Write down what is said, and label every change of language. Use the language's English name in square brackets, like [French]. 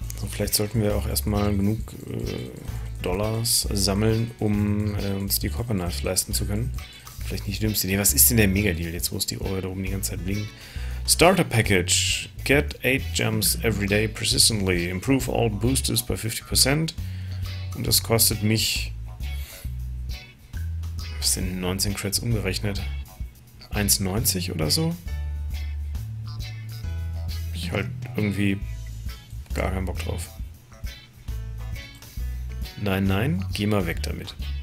[German] Vielleicht sollten wir auch erstmal genug Dollars sammeln, um uns die Copper Knife leisten zu können. Vielleicht nicht die dümmste Idee. Was ist denn der Mega-Deal? Jetzt muss die Ohr da oben die ganze Zeit blinken. [English] Starter Package. Get 8 Gems every day persistently. Improve all boosters by 50%. [German] Und das kostet mich... Was sind 19 Credits umgerechnet? 1,90 oder so? Ich halt irgendwie... gar keinen Bock drauf. Nein, nein, geh mal weg damit.